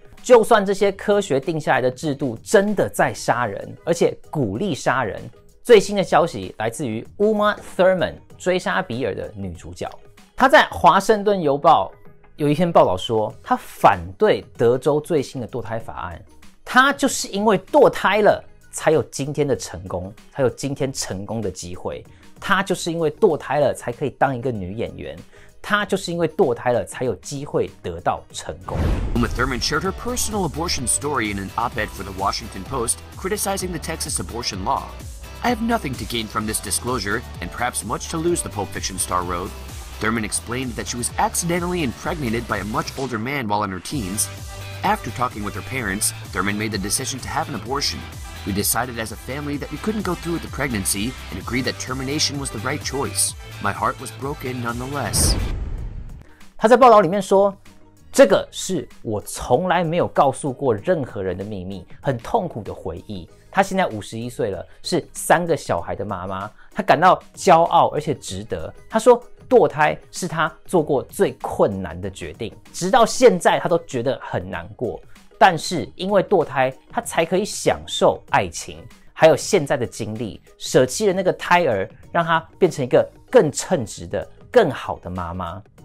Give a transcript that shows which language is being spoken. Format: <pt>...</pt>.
<zh>就算这些科学定下来的制度真的在杀人，而且鼓励杀人，最新的消息来自于 Uma Thurman 追杀比尔的女主角，她在华盛顿邮报有一篇报道说她反对德州最新的堕胎法案，他就是因为堕胎了才有今天的成功，才有今天成功的机会，他就是因为堕胎了才可以当一个女演员，他就是因为堕胎了才有机会得到成功。</zh> <en>Uma Thurman shared her personal abortion story in an op-ed for the Washington Post criticizing the Texas abortion law. I have nothing to gain from this disclosure, and perhaps much to lose, the Pulp Fiction star wrote. Thurman explained that she was accidentally impregnated by a much older man while in her teens. After talking with her parents, Thurman made the decision to have an abortion. We decided as a family that we couldn't go through with the pregnancy and agreed that termination was the right choice. My heart was broken nonetheless.</en> <zh>他在报道里面说，这个是我从来没有告诉过任何人的秘密，很痛苦的回忆。他现在51岁了，是三个小孩的妈妈，他感到骄傲而且值得。他说堕胎是他做过最困难的决定，直到现在他都觉得很难过，但是因为堕胎他才可以享受爱情还有现在的经历，舍弃了那个胎儿，让他变成一个更称职的更好的妈妈。</zh>